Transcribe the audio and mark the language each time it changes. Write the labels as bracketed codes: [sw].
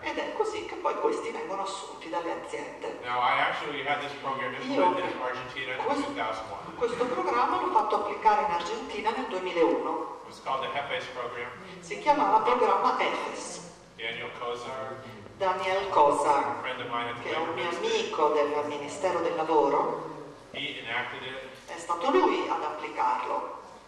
[it] Ed è così che poi questi vengono assunti dalle aziende. [en] Now, I actually had this program implemented in Argentina in 2001. [it] Questo programma l'ho fatto applicare in Argentina nel 2001. [en] It was called the HEFES program. [it] Si chiamava programma HEFES. [en] Daniel Cosar, a friend of mine at the [it] che è un mio amico del Ministero del Lavoro, [en] he enacted it. [it] È stato lui ad applicarlo.